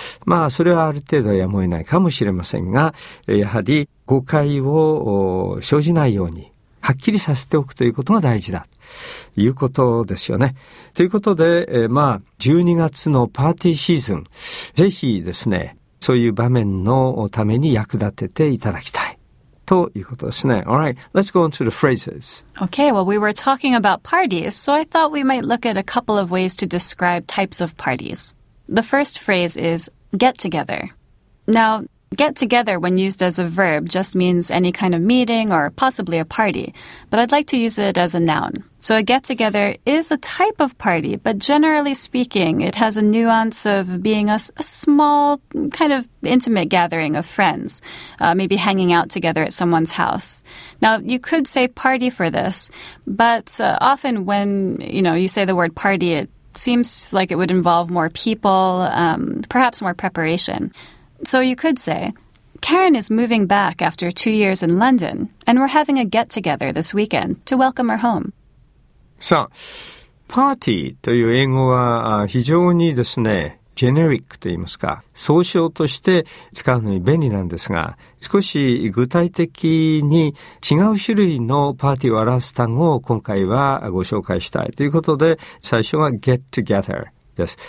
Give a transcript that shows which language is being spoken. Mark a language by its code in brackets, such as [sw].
[ja] まあそれはある程度やむを得ないかもしれませんが、やはり誤解を生じないように、はっきりさせておくということが大事だということですよね。ということで、まあ12月のパーティーシーズン、ぜひですね、そういう場面のために役立てていただきたいということですね。 [en] All right, let's go on to the phrases. Okay, well, we were talking about parties, so I thought we might look at a couple of ways to describe types of parties. The first phrase is get together. Now,Get together, when used as a verb, just means any kind of meeting or possibly a party. But I'd like to use it as a noun. So a get together is a type of party, but generally speaking, it has a nuance of being a small kind of intimate gathering of friends, maybe hanging out together at someone's house. Now, you could say party for this, but often when, you know, you say the word party, it seems like it would involve more people, perhaps more preparation. So you could say, Karen is moving back after 2 years in London, and we're having a get-together this weekend to welcome her home. [ja] さあ、パーティーという英語は非常にですね、ジェネリックと言いますか、総称として使うのに便利なんですが、少し具体的に違う種類のパーティーを表す単語を今回はご紹介したいということで、最初は get-together です。